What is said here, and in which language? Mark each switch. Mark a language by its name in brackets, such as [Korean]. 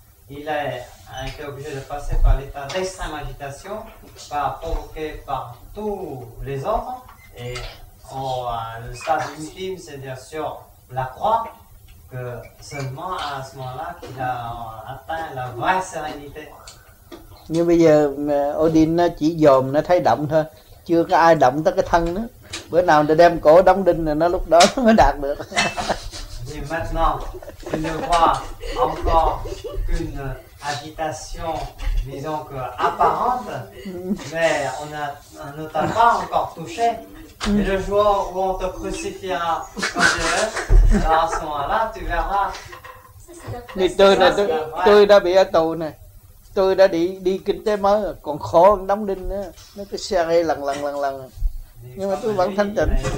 [French] Il a été obligé de passer par l'état d'extrême agitation, par provoquer par tous les autres, et le stade ultime, c'est-à-dire sur la croix, que seulement à ce moment-là qu'il a atteint la vraie sérénité. [Vietnamese] Nhưng bây giờ, Odin chỉ dòm, nó thấy động thôi, chưa có ai động tới cái thân nữa. Bữa nào người ta đem cổ đóng đinh thì nó lúc đó mới đạt được. [French] Thì maintenant, tu ne vois encore qu'une agitation, disons que apparente, mais on ne t'a pas encore touché. Et le jour où on te crucifiera, comme je veux, à ce moment-là, tu verras. [Vietnamese] Thì tôi đã bị ở tù này. Tôi đã đi kinh tế mới, còn khổ hơn đóng đinh nữa. Nó cứ xe rê lần. Nhưng mà tôi vẫn thanh tịnh.